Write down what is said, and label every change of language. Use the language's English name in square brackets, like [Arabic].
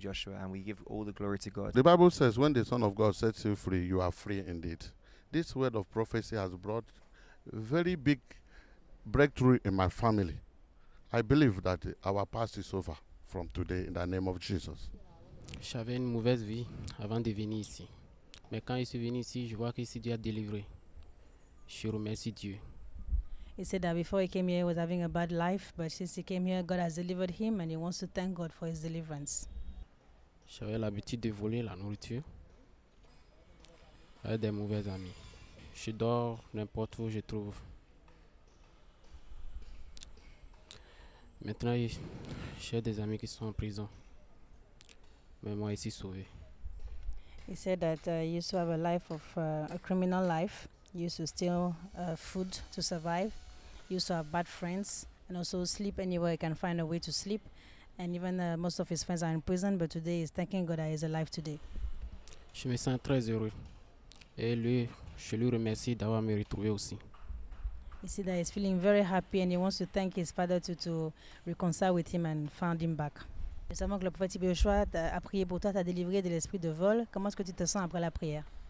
[English] Joshua, and we give all the glory to God. The Bible says, when the Son of God sets you free, you are free indeed. This word of prophecy has brought very big breakthrough in my family. I believe that our past is over from today in the name of Jesus. [French] J'avais une mauvaise vie avant de venir ici. Mais quand je suis venu ici, je vois que c'est Dieu a délivré. Je remercie Dieu. [English] He said that before he came here, he was having a bad life, but since he came here, God has delivered him and he wants to thank God for his deliverance. [French] J'avais l'habitude de voler la nourriture avec des mauvais amis. Je dors n'importe où je trouve. Maintenant, j'ai des amis qui sont en prison. Mais moi, je suis sauvé. [English] He said that he used to have a life of a criminal life. He used to steal food to survive. He used to have bad friends and also sleep anywhere he can find a way to sleep. And even most of his friends are in prison, but today he's thanking God that he's alive today. [French] Je me sens très heureux. Et lui, je lui remercie d'avoir me retrouvé aussi. [English] He said that he's feeling very happy and he wants to thank his father to reconcile with him and found him back. [French] Nous savons que le prophète T.B. Joshua a prié pour toi, t'a délivré de l'esprit de vol. Comment est-ce que tu te sens après la prière?